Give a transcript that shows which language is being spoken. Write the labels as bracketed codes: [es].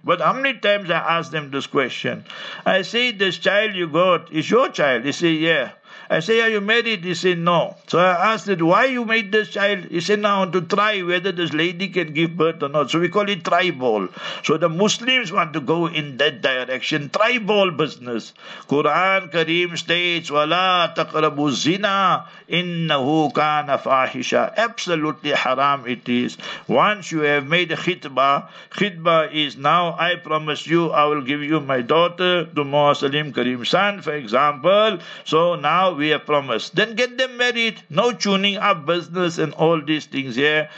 [en] But how many times I ask them this question? I say, this child you got is your child. They say, yeah. I say, are you married? He said, no. So I asked it, why you made this child? He said, now I want to try whether this lady can give birth or not. So we call it tribal. So the Muslims want to go in that direction, tribal business. Quran Kareem states, [ar] وَلَا تَقْرَبُوا الزِّنَا إِنَّهُ كَانَ فَاحِشًا. [en] Absolutely haram it is. Once you have made khitbah, khitbah is now, I promise you, I will give you my daughter, Dumoa Salim Kareem's son, for example. So now we have promised. Then get them married. No tuning up business and all these things here.